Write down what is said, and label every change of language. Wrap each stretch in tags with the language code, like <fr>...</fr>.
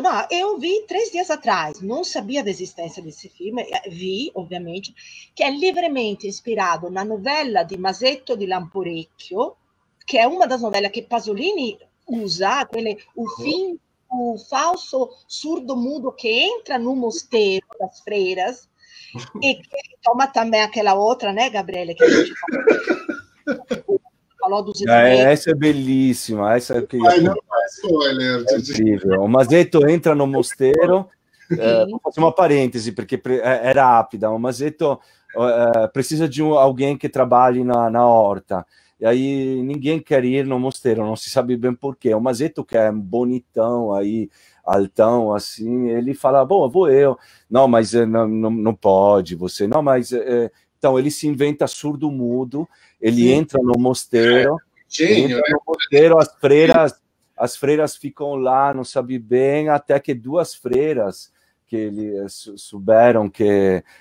<pt>Não, eu vi 3 dias atrás, não sabia da existência desse filme, vi, obviamente, que é livremente inspirado na novela de Masetto di Lamporecchio, que é uma das novelas que Pasolini usa, aquele, o falso surdo-mudo que entra no mosteiro das freiras, e que toma também aquela outra, né, Gabriele? Que a gente falou dos espíritos. Essa é belíssima. Essa é incrível. O Masetto entra no mosteiro.</pt> <it>Faccio uma parentesi, perché è rapida.</it> <pt>O Masetto precisa di alguém che trabalhi na horta. E aí ninguém quer ir no mosteiro, não se sabe bem porquê. O Masetto, que é bonitão aí, altão, assim, ele fala, bom, vou eu. Não, mas não pode você. Não, mas... Então, ele se inventa surdo-mudo, ele entra no mosteiro, no mosteiro, as freiras ficam lá, não sabe bem, até que duas freiras que ele souberam que...</pt>